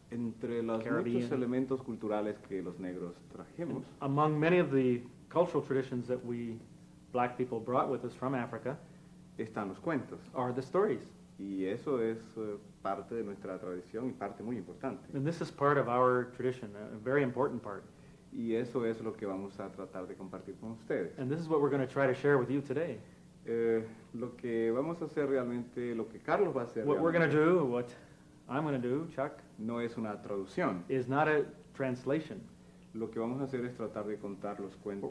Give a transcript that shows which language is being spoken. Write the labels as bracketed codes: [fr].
[es] Entre los muchos elementos culturales que los negros trajimos. [en] And among many of the cultural traditions that we black people brought with us from Africa. [es] Están los cuentos. [en] Are the stories. [es] Y eso es parte de nuestra tradición y parte muy importante. [en] And this is part of our tradition, a very important part. [es] Y eso es lo que vamos a tratar de compartir con ustedes. [en] And this is what we're going to try to share with you today. [es] Lo que vamos a hacer realmente, lo que Carlos va a hacer [en] what [es] realmente. [en] We're going to do, what I'm going to do, Chuck. [es] No es una traducción. [en] Is not a translation. [es] Lo que vamos a hacer es tratar de contar los cuentos.